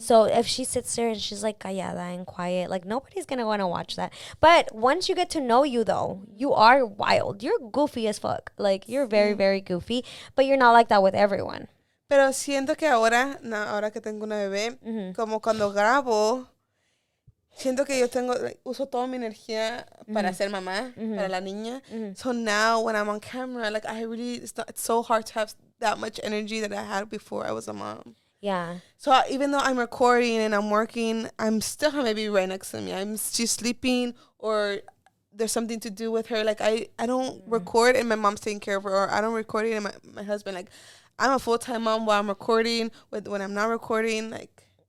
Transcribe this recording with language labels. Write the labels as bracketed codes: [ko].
[en] So if she sits there and she's, like, callada and quiet, like, nobody's going to want to watch that. But once you get to know you, though, you are wild. You're goofy as fuck. Like, you're very, very goofy. But you're not like that with everyone. [es] Pero siento que ahora, no, ahora que tengo una bebé, como cuando grabo, siento que yo tengo, like, uso toda mi energía para ser mamá, para la niña. Mm-hmm. [en] So now when I'm on camera, like, I really, it's so hard to have that much energy that I had before I was a mom. Yeah. So even though I'm recording and I'm working, I'm still her baby right next to me. She's sleeping or there's something to do with her. Like, I don't record and my mom's taking care of her, or I don't record and my husband, like, I'm a full-time mom while I'm recording, when I'm not recording, like.